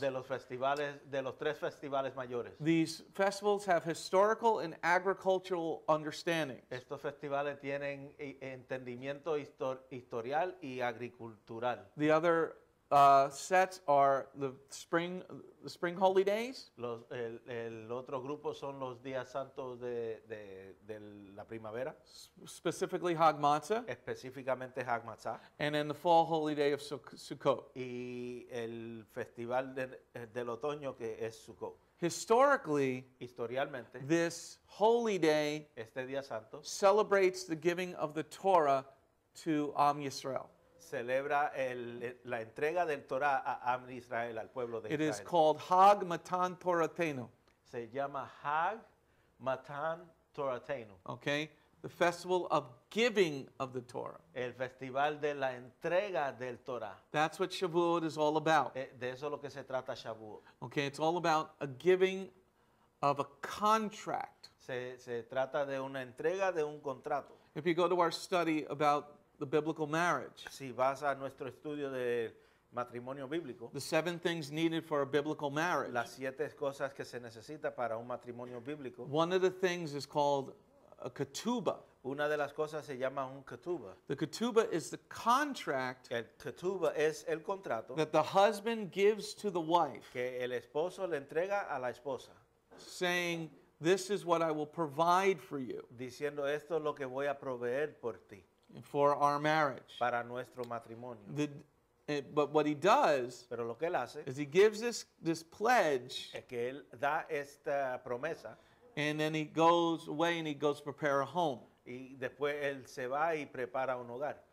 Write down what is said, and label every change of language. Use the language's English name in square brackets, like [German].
[Spanish] De los tres festivales mayores. [English] These festivals have historical and agricultural understandings. [Spanish] Estos festivales tienen entendimiento historial y agricultural. [English] The other sets are the spring holy days. [Spanish] El otro grupo son los días santos de la primavera. [English] Specifically Hag Matzah. [Spanish] Específicamente Hag Matzah. [English] And then the fall holy day of Sukkot. [Spanish] Y el festival del otoño que es Sukkot. [English] Historically, [Spanish] historialmente, [English] this holy day [Spanish] este día santo [English] celebrates the giving of the Torah to Am Yisrael. [Spanish] Celebra la entrega del Torah a Am Israel, al pueblo de [English] it [Spanish] Israel. [English] It is called Hag Matan Torateinu. [Spanish] Se llama Hag Matan Torateinu. [English] Okay. The festival of giving of the Torah. [Spanish] El festival de la entrega del Torah. [English] That's what Shavuot is all about. [Spanish] De eso es lo que se trata Shavuot. [English] Okay. It's all about a giving of a contract. [Spanish] Se trata de una entrega de un contrato. [English] If you go to our study about the biblical marriage. [Spanish] Si vas a nuestro estudio de matrimonio bíblico. [English] The seven things needed for a biblical marriage. [Spanish] Las siete cosas que se necesita para un matrimonio bíblico. [English] One of the things is called a ketubah. [Spanish] Una de las cosas se llama un ketubah. [English] The ketubah is the contract. [Spanish] El ketubah es el contrato. [English] That the husband gives to the wife. [Spanish] Que el esposo le entrega a la esposa. [English] Saying, this is what I will provide for you. [Spanish] Diciendo, esto es lo que voy a proveer por ti. [English] For our marriage. [Spanish] Para nuestro matrimonio. [English] But what he does. [Spanish] Pero lo que él hace. [English] Is he gives this pledge. [Spanish] Es que él da esta promesa. [English] And then he goes away and he goes to prepare a home. [Spanish] Y después él se va y prepara un hogar.